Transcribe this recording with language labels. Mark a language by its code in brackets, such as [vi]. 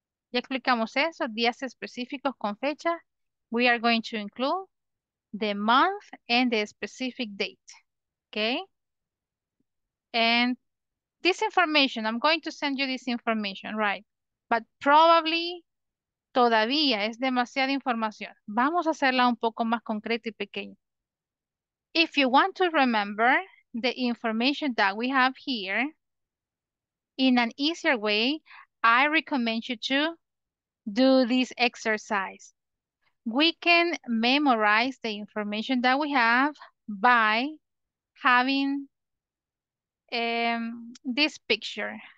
[es] Ya explicamos eso, días específicos con fecha. [en] We are going to include the month and the specific date, okay? And this information, I'm going to send you this information, right? But probably [es] todavía es demasiada información. Vamos a hacerla un poco más concreta y pequeña. [en] If you want to remember the information that we have here in an easier way, I recommend you to do this exercise. We can memorize the information that we have by having this picture.